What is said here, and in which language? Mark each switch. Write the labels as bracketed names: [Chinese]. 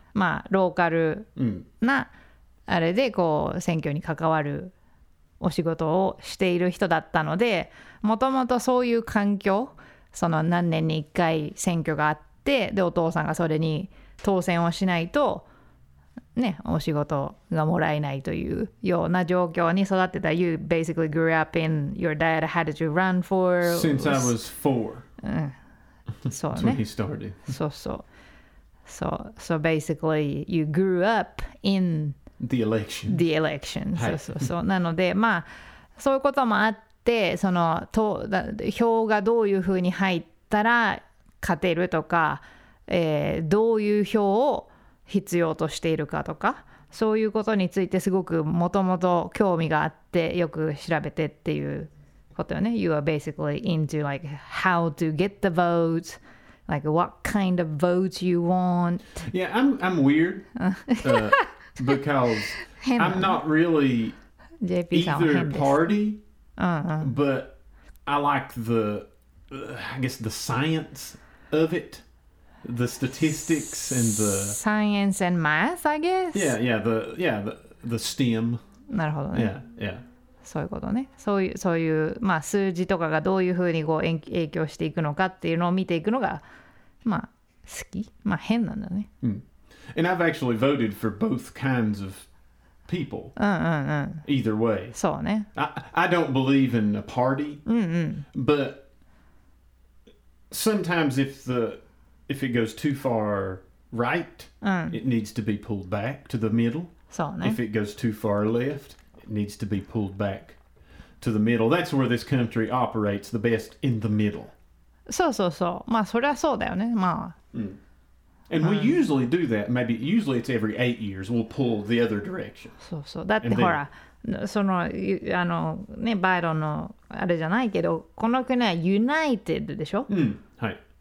[Japanese] まあ、ローカルなあれでこう選挙に関わるお仕事をしている人だったので、もともとそういう環境、その何年に1回選挙があって、でお父さんがそれに当選をしないとね、お仕事がもらえないというような状況に育ってた。 [English] You basically grew up in your dad had to run for since I was four、 [Japanese] うん、そうね、 [English] when he started. [Japanese] そうそう、 [English] so basically you grew up in the election [Japanese] はい、そうそうそう。なのでまあそういうこともあって、その票がどういうふうに入ったら勝てるとか、どういう票を必要としているかとか、そういうことについてすごくもともと興味があってよく調べてっていうことよね。 [English] You are basically into like how to get the votes, like what kind of votes you want. Yeah, I'm weird because I'm not really either party, but I like the, I guess the science of it. The statistics and the science and math, I guess. The STEM. [Japanese] なるほどね。 [English] Yeah. [Japanese] そういうことね。そういう、まあ、数字とかがどういうふうにこう影響していくのかっていうのを見ていくのが、まあ、好き。まあ、変なんだね。うん。 [English] And I've actually voted for both kinds of people. [Japanese] うんうんうん。 [English] Either way. [Japanese] そうね。 [English] I don't believe in a party. [Japanese] うんうん。 [English] But sometimes if it goes too far right,、 [Japanese] うん、 [English] it needs to be pulled back to the middle. [Japanese] そうね。 [English] If it goes too far left, it needs to be pulled back to the middle. That's where this country operates the best, in the middle. [Japanese] そうそうそう。まあ、それはそうだよね。まあ。 [English] うん。And、うん、we usually do that. Maybe usually it's every 8 years. We'll pull the other direction. [Japanese] そうそう。だってほら、その、あのね、バイロンのあれじゃないけど、この国は United でしょ？うん。はい。